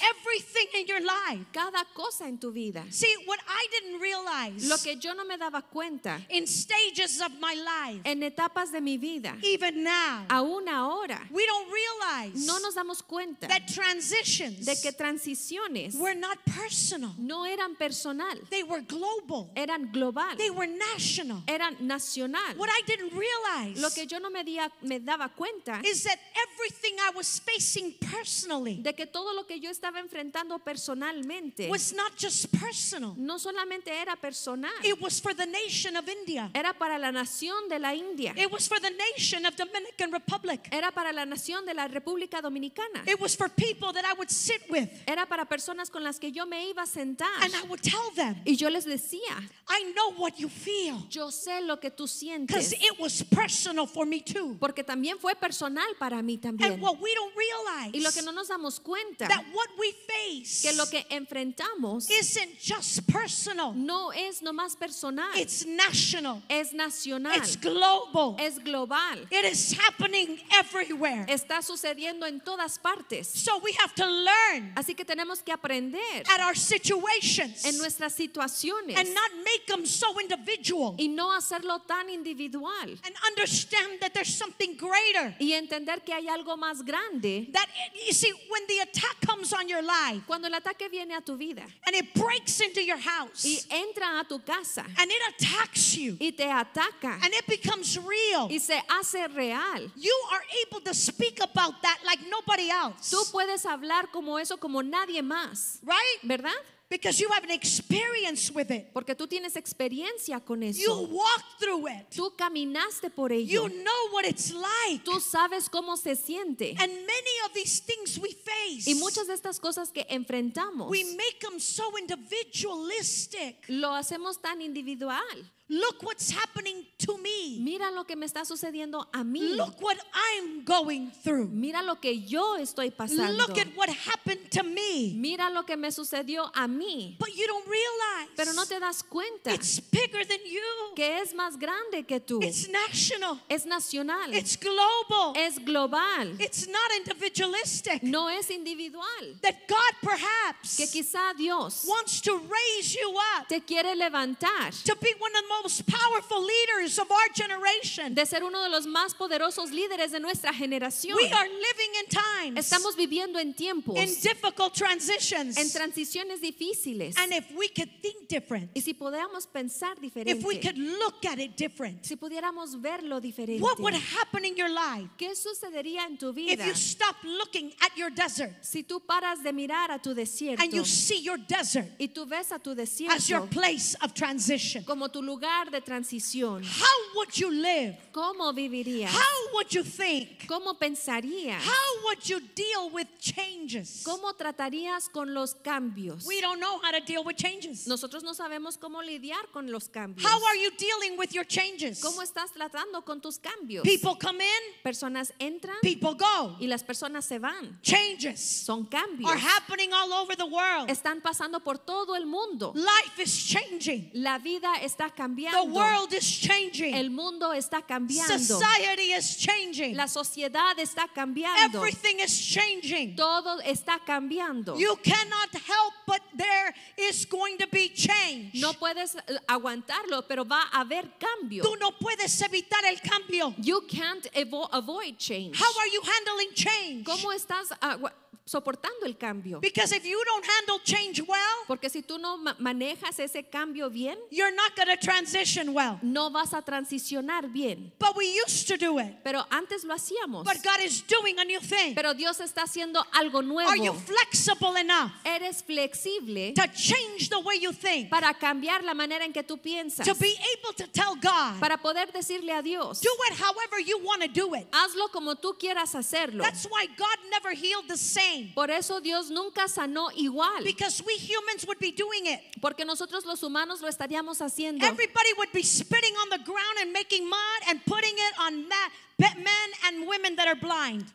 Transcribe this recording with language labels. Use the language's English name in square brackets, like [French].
[English] Everything in your life. [Spanish] Cada cosa en tu vida. [English] See, what I didn't realize. [Spanish] Lo que yo no me daba cuenta. [English] In stages of my life. [Spanish] En etapas de mi vida. [English] Even now. [Spanish] Aún ahora. [English] We don't realize. [Spanish] No nos damos cuenta. [English] That transitions. [Spanish] De que transiciones. [English] Were not personal. [Spanish] No eran personal. [English] They were global. [Spanish] Eran global. [English] They were national. [Spanish] Eran nacional. [English] What I didn't realize. [Spanish] Lo que yo no me daba cuenta. [English] Is that everything I was facing personally. [Spanish] De que todo lo que yo estaba enfrentando personalmente. [English] Was not just personal. [Spanish] No solamente era personal. [English] It was for the nation of India. [Spanish] Era para la nación de la India. [English] It was for the nation of Dominican Republic. [Spanish] Era para la nación de la República Dominicana. [English] It was for people that I would sit with. [Spanish] Era para personas con las que yo me iba a sentar. [English] And I would tell them, [Spanish] y yo les decía, [English] I know what you feel. [Spanish] Yo sé lo que tú sientes. [English] Because it was personal for me too. [Spanish] Porque también fue personal para mí también. [English] And what we don't realize, [Spanish] y lo que no nos damos cuenta, [English] that what we face, [Spanish] que lo que enfrentamos, [English] isn't just personal. [Spanish] No es nomás personal. [English] It's national. [Spanish] Es nacional. [English] It's global. [Spanish] Es global. [English] It is happening everywhere. [Spanish] Está sucediendo en todas partes. [English] So we have to learn. [Spanish] Así que tenemos que aprender. [English] At our situations. [Spanish] En nuestras situaciones. [English] And not make them so individual. [Spanish] Y no hacerlo tan individual. [English] And understand that there's something greater. [Spanish] Y entender que hay algo más grande. [English] That it, you see, when the attack comes on your life. [Spanish] Cuando el ataque viene a tu vida. [English] And it breaks into your house. [Spanish] Y entra a tu casa. [English] And it attacks you. [Spanish] Y te ataca. [English] And it becomes real. [Spanish] Y se hace real. [English] You are able to speak about that like nobody else. [Spanish] Tú puedes hablar como eso como nadie más. [English] Right? [Spanish] ¿Verdad? [English] Because you have an experience with it. [Spanish] Porque tú tienes experiencia con eso. [English] You walked through it. [Spanish] Tú caminaste por ello. [English] You know what it's like. [Spanish] Tú sabes cómo se siente. [English] And many of these things we face. [Spanish] Y muchas de estas cosas que enfrentamos. [English] We make them so individualistic. [Spanish] Lo hacemos tan individual. [English] Look what's happening to me. [Spanish] Mira lo que me está sucediendo a mí. [English] Look what I'm going through. [Spanish] Mira lo que yo estoy pasando. [English] Look at what happened to me. [Spanish] Mira lo que me sucedió a mí. [English] But you don't realize. [Spanish] Pero no te das cuenta. [English] It's bigger than you. [Spanish] Que es más grande que tú. [English] It's national. [Spanish] Es nacional. [English] It's global. [Spanish] Es global. [English] It's not individualistic. [Spanish] No es individual. [English] That God perhaps. [Spanish] Que quizá Dios. [English] Wants to raise you up. [Spanish] Te quiere levantar. [English] To be one of the most powerful leaders of our generation. [Spanish] De ser uno de los más poderosos líderes de nuestra generación. [English] We are living in times. [Spanish] Estamos viviendo en tiempos. [English] In difficult transitions. [Spanish] En transiciones difíciles. [English] And if we could think different. [Spanish] Y si pudiéramos pensar diferente. [English] If we could look at it different. [Spanish] Si pudiéramos verlo diferente. [English] What would happen in your life? [Spanish] ¿Qué sucedería en tu vida? [English] If you stop looking at your desert. [Spanish] Si tú paras de mirar a tu desierto. [English] And you see your desert. [Spanish] Y tú ves a tu desierto. [English] As your place of transition. [Spanish] Como tu lugar de transición. [English] How would you live? [Spanish] ¿Cómo vivirías? [English] How would you think? [Spanish] ¿Cómo pensarías? [English] How would you deal with changes? [Spanish] ¿Cómo tratarías con los cambios? [English] We don't know how to deal with changes. [Spanish] Nosotros no sabemos cómo lidiar con los cambios. [English] How are you dealing with your changes? [Spanish] ¿Cómo estás tratando con tus cambios? [English] People come in. [Spanish] Personas entran. [English] People go. [Spanish] Y las personas se van. [English] Changes. [Spanish] Son cambios. [English] Are happening all over the world. [Spanish] Están pasando por todo el mundo. [English] Life is changing. [Spanish] La vida está cambiando. [English] The world is changing. [Spanish] El mundo está cambiando. [English] Society is changing. [Spanish] La sociedad está cambiando. [English] Everything is changing. [Spanish] Todo está cambiando. [English] You cannot help but there is going to be change. [Spanish] No puedes aguantarlo, pero va a haber cambio. Tú no puedes evitar el cambio. [English] You can't avoid change. How are you handling change? [Spanish] ¿Cómo estás soportando el cambio? [English] Because if you don't handle change well, [Spanish] porque si tú no manejas ese cambio bien, [English] you're not going to transition well. [Spanish] No vas a transicionar bien. [English] But we used to do it. [Spanish] Pero antes lo hacíamos. [English] But God is doing a new thing. [Spanish] Pero Dios está haciendo algo nuevo. [English] Are you flexible enough? [Spanish] ¿Eres flexible [English] to change the way you think? [Spanish] Para cambiar la manera en que tú piensas. [English] To be able to tell God. [Spanish] Para poder decirle a Dios. [English] Do it however you want to do it. [Spanish] Hazlo como tú quieras hacerlo. [English] That's why God never healed the same. [Spanish] Por eso Dios nunca sanó igual. [English] Because we humans would be doing it. [Spanish] Porque nosotros los humanos lo estaríamos haciendo. [English] Everybody would be spitting on the ground and making mud and putting it on that. Men and women that are blind.